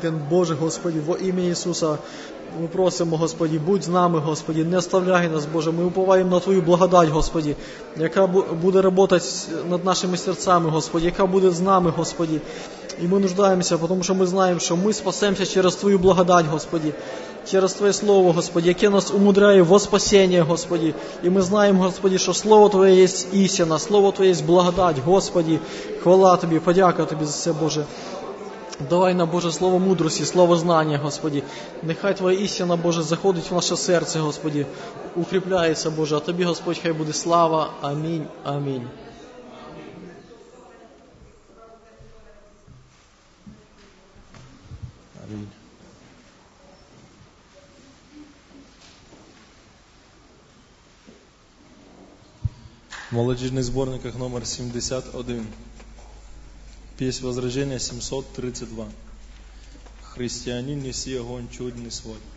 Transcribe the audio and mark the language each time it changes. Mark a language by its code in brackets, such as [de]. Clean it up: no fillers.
[ru] Боже, Господи, во имя Иисуса мы просим, Господи, будь с нами, Господи, не оставляй нас, Боже, мы уповаем на Твою благодать, Господи, яка будет работать над нашими сердцами, Господи, яка будет с нами, Господи, и мы нуждаемся, потому что мы знаем, что мы спасемся через Твою благодать, Господи, через Твое Слово, Господи, яке нас умудряє во спасение, Господи, и мы знаем, Господи, что Слово Твое есть истина, Слово Твое есть благодать, Господи, [uk] хвала Тобі, подяка Тобі за все, [ru] Боже. [uk] Давай нам, Боже, слово мудрості, слово знання, Господи. Нехай Твоя істина, Боже, заходить в наше серце, Господи, укріпляється, Боже. А Тобі, Господь, хай буде слава. Амінь. Амінь. Амінь. Молодіжний збірник номер 71. [ru] Пісня Возрождения 732. Христианин, неси огонь чудный свой.